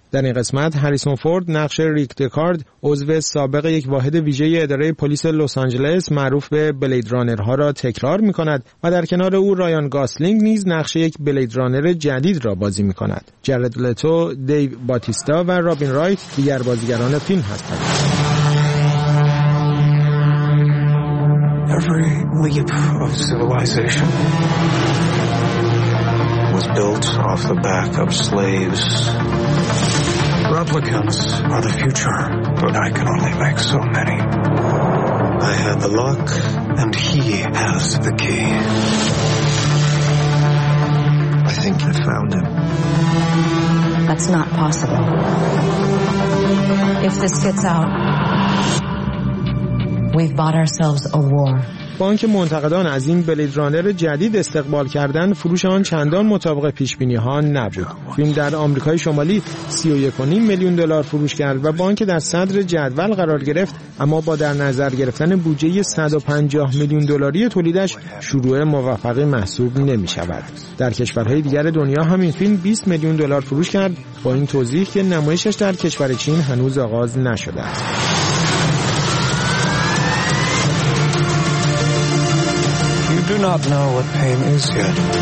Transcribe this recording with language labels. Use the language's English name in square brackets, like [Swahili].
[Persian] در این قسمت هریسون فورد نقش ریک دکارد، عضو سابق یک واحد ویژه اداره پلیس لس آنجلس معروف به بلید رانرها را تکرار می‌کند و در کنار او رایان گاسلینگ نیز نقش یک بلید رانر جدید را بازی می‌کند. جرد لتو، دیو باتیستا و رابین رایت دیگر بازیگران فیلم هستند. [English] Every leap of civilization was built off the back of slaves. Replicants are the future, but I can only make so many. I had the lock, and he has the key. I think I found him. That's not possible. If this gets out, we've bought ourselves a war. [Persian] با اینکه منتقدان از این بلید رانر جدید استقبال کردن، فروش آن چندان مطابق پیشبینی ها نبود. فیلم در آمریکای شمالی 31.5 میلیون دلار فروش کرد و با اینکه در صدر جدول قرار گرفت، اما با در نظر گرفتن بودجه 150 میلیون دلاری تولیدش شروع موفقی محسوب نمی شود. در کشورهای دیگر دنیا هم این فیلم 20 میلیون دلار فروش کرد، با این توضیح که نمایشش در کشور چین هنوز آغاز نشده است. [English] You do not know what pain is yet.